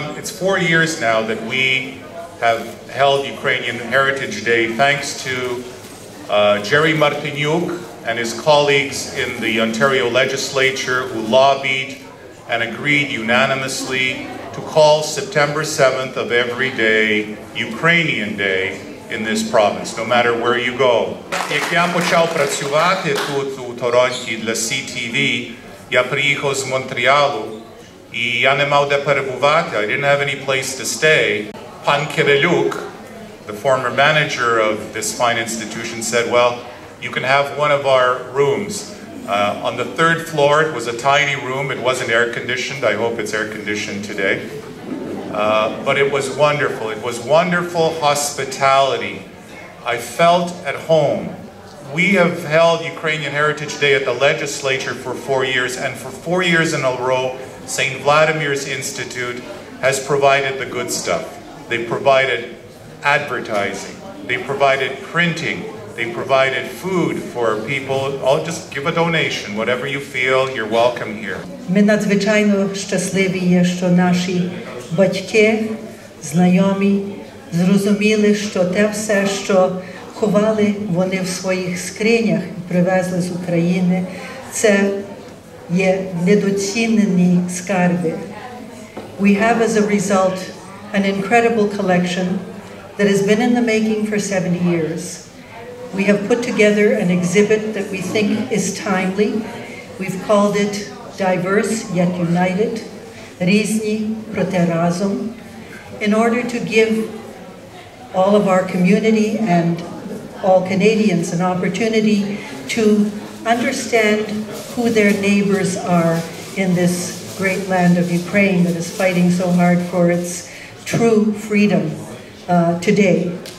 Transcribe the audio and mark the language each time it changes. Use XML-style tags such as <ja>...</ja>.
<en>It's 4 years now that we have held Ukrainian Heritage Day thanks to Jerry Martinyuk and his colleagues in the Ontario legislature who lobbied and agreed unanimously to call September 7th of every day Ukrainian Day in this province, no matter where you go.</en> <uk>Як я почав працювати тут у Торонті для CTV, я приїхав з Монтреалу і я не мав де перебувати.</uk> <en>I didn't have any place to stay. Пан Кирилюк, the former manager of this fine institution, said, well, you can have one of our rooms. On the third floor, it was a tiny room. It wasn't air conditioned. I hope it's air conditioned today. But it was wonderful. It was wonderful hospitality. I felt at home. We have held Ukrainian Heritage Day at the legislature for 4 years, and for 4 years in a row, St. Vladimir's Institute has provided the good stuff. They provided advertising. They provided printing. They provided food for people. I'll just give a donation, whatever you feel, you're welcome here.</en> <uk>Ми надзвичайно щасливі є, що наші батьки, знайомі, зрозуміли, що те все, що ховали вони в своїх скринях і привезли з України, це є недоцінені скарби.</uk> <en>We have as a result an incredible collection that has been in the making for 70 years. We have put together an exhibit that we think is timely. We've called it Diverse Yet United,</en> <uk>Різні Проте Разом,</uk> <en>in order to give all of our community and all Canadians an opportunity to understand who their neighbors are in this great land of Ukraine that is fighting so hard for its true freedom today.</en>